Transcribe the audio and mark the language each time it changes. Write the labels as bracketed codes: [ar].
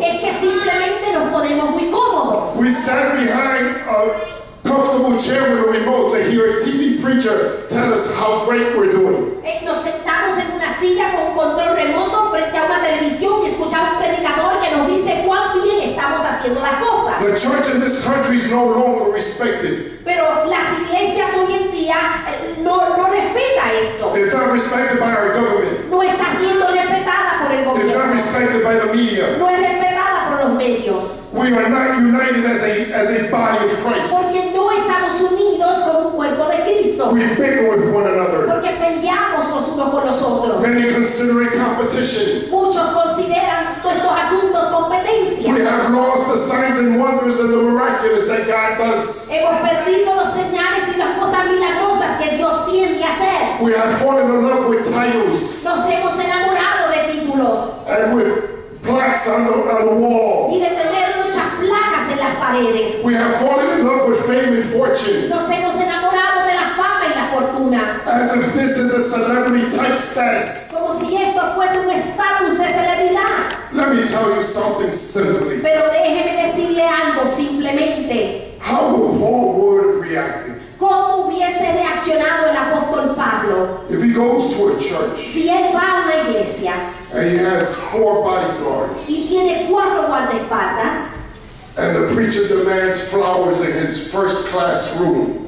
[es] Es que simplemente nos ponemos muy cómodos. [en] We sat behind a comfortable chair with a remote to hear a TV preacher tell us how great we're doing. [es] Nos sentamos en una silla con control remoto frente a una televisión y escuchamos un predicador que nos dice cuán bien estamos haciendo las cosas. [en] The church in this country is no longer respected. [es] Pero las iglesias hoy en día no respeta esto. [en] It's not respected by our government. [es] No está siendo respetada por el gobierno. [en] It's not respected by the media. [es] No es respetada por los medios. [en] We are not united as a body of Christ. [es] Porque no estamos unidos como un cuerpo de Cristo. [en] We bicker with one another. [es] Porque peleamos los unos con los otros. [en] Many consider it competition. [es] Muchos consideran todos estos asuntos competencia. [en] We have lost the signs and wonders and the miraculous that God does. [es] Hemos perdido los señales y las cosas milagrosas que Dios tiene que hacer. [en] We have fallen in love with titles. [es] Nos hemos enamorado de títulos. [en] And with plaques on the wall. [es] Y de tener muchas placas en las paredes. [en] We have fallen in love with fame and fortune. [es] Nos hemos enamorado de la fama y la fortuna. [en] As if this is a celebrity type status. [es] Como si esto fuese un estatus de celebridad. [en] Let me tell you something simply. [es] Pero déjeme decirle algo simplemente. [en] How would Paul would have reacted? [es] ¿Cómo hubiese reaccionado el apóstol Pablo? [en] If he goes to a church. [es] Si él va a una iglesia. [en] And he has four bodyguards. [es] Y tiene cuatro guardaespaldas. [en] And the preacher demands flowers in his first class room.